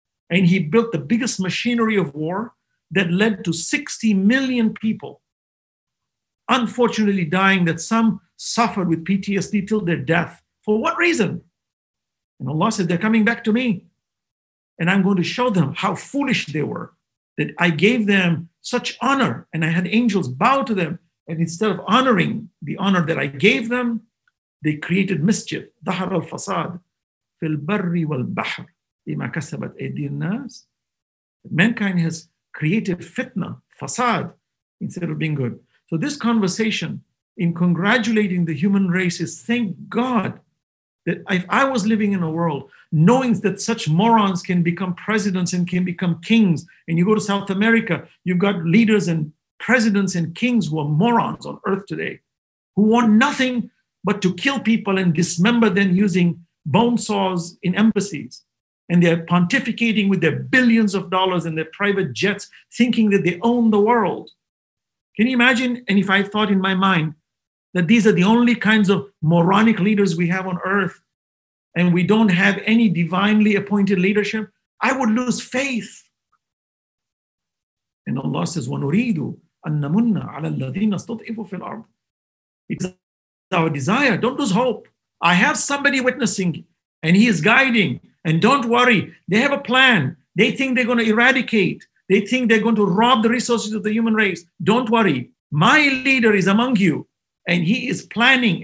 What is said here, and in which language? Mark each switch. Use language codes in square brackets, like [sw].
[en] And he built the biggest machinery of war that led to 60 million people unfortunately dying, that some suffered with PTSD till their death. For what reason? And Allah said, they're coming back to me, and I'm going to show them how foolish they were, that I gave them such honor and I had angels bow to them. And instead of honoring the honor that I gave them, they created mischief. [ar] ظهر الفساد في البر والبحر بما كسبت أيدي الناس. [en] Mankind has created fitna, fasad, instead of being good. So this conversation in congratulating the human race is, thank God that if I was living in a world knowing that such morons can become presidents and can become kings, and you go to South America, you've got leaders and presidents and kings who are morons on earth today, who want nothing but to kill people and dismember them using bone saws in embassies. And they're pontificating with their billions of dollars and their private jets, thinking that they own the world. Can you imagine? And if I thought in my mind that these are the only kinds of moronic leaders we have on earth, and we don't have any divinely appointed leadership, I would lose faith. [ar] And Allah says, وَنُرِيدُ أَنَّمُنَّ عَلَى الَّذِينَ اسْتُضْعِفُوا فِي الْأَرْضِ. [en] It's our desire. Don't lose hope. I have somebody witnessing, and he is guiding. And don't worry, they have a plan. They think they're going to eradicate. They think they're going to rob the resources of the human race. Don't worry. My leader is among you, and he is planning.